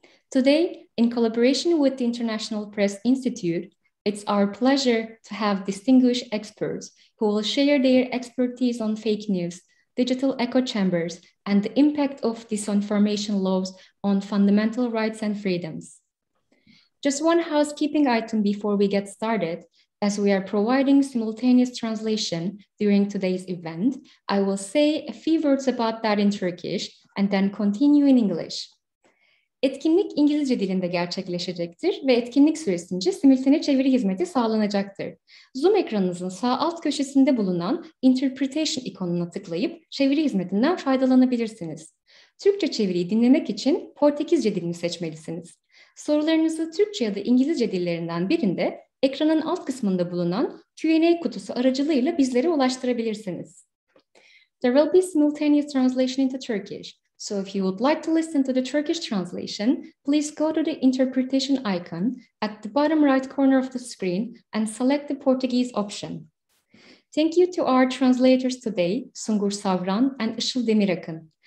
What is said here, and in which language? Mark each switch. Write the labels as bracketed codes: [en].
[en] Today, in collaboration with the International Press Institute, it's our pleasure to have distinguished experts who will share their expertise on fake news, digital echo chambers, and the impact of disinformation laws on fundamental rights and freedoms. Just one housekeeping item before we get started, as we are providing simultaneous translation during today's event, I will say a few words about that in Turkish and then continue in English. [tr] Etkinlik İngilizce dilinde gerçekleşecektir ve etkinlik süresince simultane çeviri hizmeti sağlanacaktır. Zoom ekranınızın sağ alt köşesinde bulunan Interpretation ikonuna tıklayıp çeviri hizmetinden faydalanabilirsiniz. Türkçe çeviriyi dinlemek için Portekizce dilini seçmelisiniz. Sorularınızı Türkçe ya da İngilizce dillerinden birinde ekranın alt kısmında bulunan Q&A kutusu aracılığıyla bizlere ulaştırabilirsiniz. [en] There will be simultaneous translation into Turkish. So if you would like to listen to the Turkish translation, please go to the interpretation icon at the bottom right corner of the screen and select the Portuguese option. Thank you to our translators today, Sungur Savran and Işıl Demirakın.